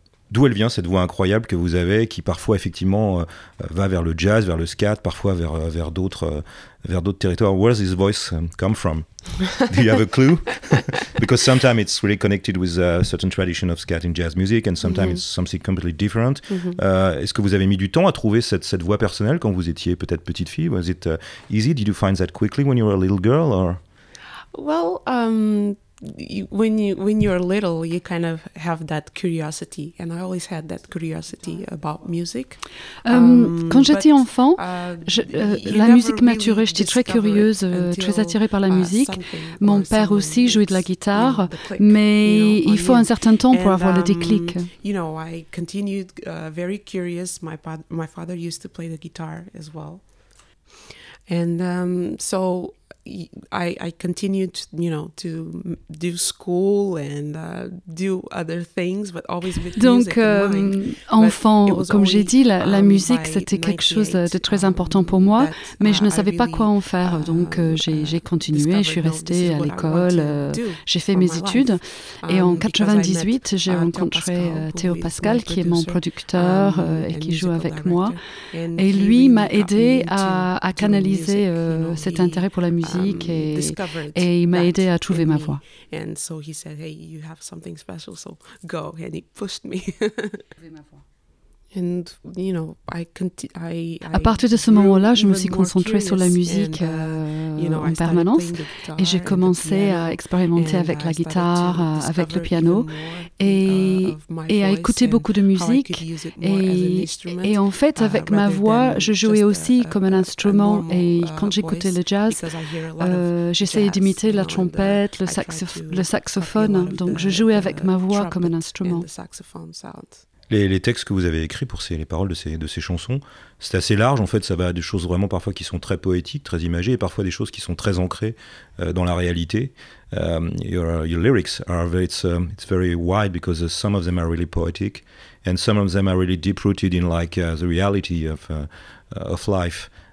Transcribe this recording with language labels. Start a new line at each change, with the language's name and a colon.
French: D'où elle vient cette voix incroyable que vous avez, qui parfois effectivement va vers le jazz, vers le scat, parfois vers d'autres territoires.
English: Where does this voice come from? Do you have a clue? Because sometimes it's really connected with a certain tradition of scat in jazz music, and sometimes it's something completely different.
French: Est-ce que vous avez mis du temps à trouver cette voix personnelle quand vous étiez peut-être petite fille?
English: Was it easy? Did you find that quickly when you were a little girl? Or well. When you're little, you kind of have that curiosity, and I always had that curiosity about music.
French: Quand j'étais enfant, la musique m'attirait.
English: Really,
French: j'étais très curieuse, très attirée par la musique. Mon père aussi jouait de la guitare, mais il faut un certain temps pour avoir le déclic.
English: You know, I continued very curious. My father used to play the guitar as well, and so. I continued, you know, to do school and do other things, but always with music.
French: Donc, enfant, comme j'ai dit, la musique, c'était quelque chose de très important pour moi, mais je ne savais pas quoi en faire. Donc, j'ai continué, je suis restée à l'école, j'ai fait mes études. Et en 98, j'ai rencontré Théo Pascal, qui est mon producteur et qui joue avec moi. Et lui m'a aidée à canaliser cet intérêt pour la musique. Et il m'a aidé à trouver ma voix.
English: And so he said, hey, you have something special, so go. And he pushed me. And you know, I
French: à partir de ce moment-là, je me suis concentrée sur la musique en permanence, et j'ai commencé à expérimenter avec la guitare, avec le piano, et à écouter beaucoup de musique. Et en fait, avec ma voix, je jouais aussi comme un instrument. Et quand j'écoutais le jazz, j'essayais d'imiter la trompette, le saxophone. Donc, je jouais avec ma voix comme un instrument. Les textes que vous avez écrits pour les paroles de ces chansons, c'est assez large en fait, ça va à des choses vraiment parfois qui sont très poétiques, très imagées, et parfois des choses qui sont très ancrées dans la réalité.
English: Your lyrics are it's very wide because some of them are really poetic and some of them are really deep rooted in like the reality of life.